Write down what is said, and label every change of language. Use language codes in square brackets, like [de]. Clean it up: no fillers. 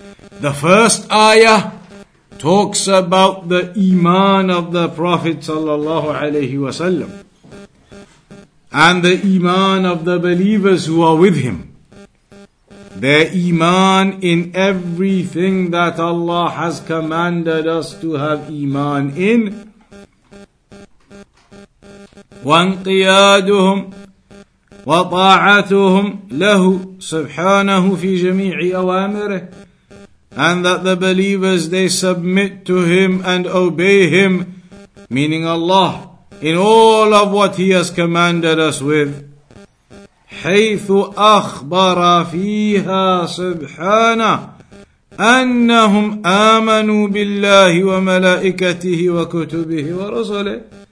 [en] The first ayah talks about the iman of the Prophet sallallahu alaihi wasallam and the iman of the believers who are with him. Their iman in everything that Allah has commanded us to have iman in. [ar] وانقيادهم وطاعتهم له سبحانه في جميع أوامره. [en] And that the believers, they submit to him and obey him, meaning Allah, in all of what he has commanded us with. [ar] حَيْثُ أَخْبَرَ فِيهَا سُبْحَانَهُ أَنَّهُمْ آمَنُوا بِاللَّهِ وَمَلَائِكَتِهِ وَكُتُبِهِ وَرُسُلِهِ.